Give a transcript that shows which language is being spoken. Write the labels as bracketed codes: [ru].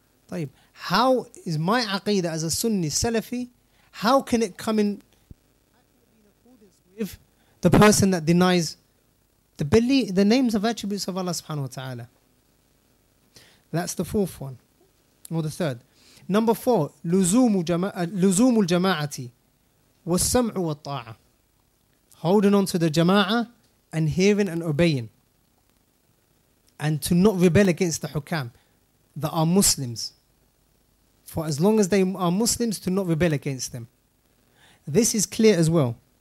[ar] طيب, [en] how is my Aqeedah as a Sunni Salafi, how can it come in with the person that denies the belief, the names of attributes of Allah subhanahu wa ta'ala? That's the fourth one, or the third. Number four, [ar] لزوم الجماعة والسمع والطاعة. [en] Holding on to the jama'ah and hearing and obeying. And to not rebel against the hukam that are Muslims. For as long as they are Muslims, to not rebel against them. This is clear as well.